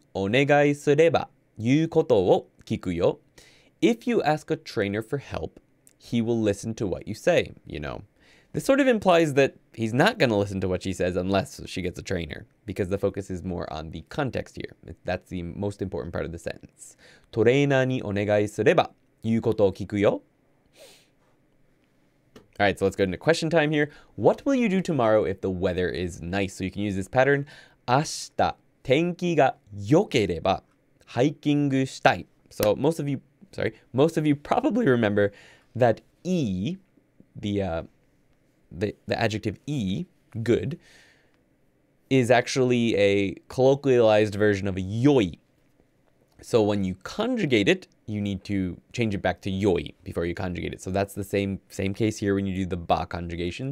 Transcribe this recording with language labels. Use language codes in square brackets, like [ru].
[ja] トレーナーにお願いすれば言うことを聞くよ。 [en] If you ask a trainer for help, he will listen to what you say, you know. This sort of implies that he's not going to listen to what she says unless she gets a trainer, because the focus is more on the context here. That's the most important part of the sentence. [ja] トレーナーにお願いすれば言うことを聞くよ. [en] All right, so let's go into question time here. What will you do tomorrow if the weather is nice? So you can use this pattern. [ja] 明日天気が良ければハイキングしたい. [en] So most of you probably remember that the adjective e, good, is actually a colloquialized version of a yoi. So when you conjugate it, you need to change it back to yoi before you conjugate it. So that's the same case here when you do the ba conjugation.